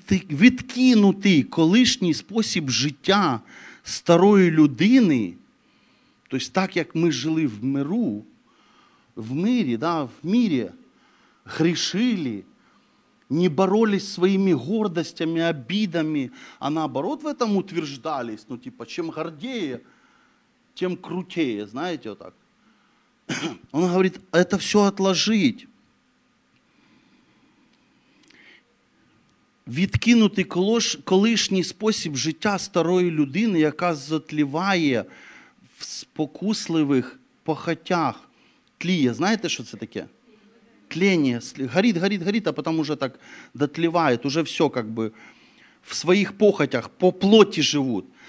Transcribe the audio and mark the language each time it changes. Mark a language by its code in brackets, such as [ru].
[uk] відкинути колишній спосіб життя старої людини, тобто так, як ми жили в миру, в мирі, да, в мирі, грішили, не боролись своїми гордостями, обідами, [ru] а наоборот в этом утверждались, ну, типа, чем гордее, тем крутее, [uk] знаєте, отак. [ru] Он говорит, это все отложить. [uk] Відкинути колишній спосіб життя старої людини, яка затліває в спокусливих похотях. Тліє. Знаєте, що це таке? Тлення. Горить, горить, горить, а потім уже так дотліває. Уже все, [ru] как бы, [uk] в своїх похотях, по плоті живуть.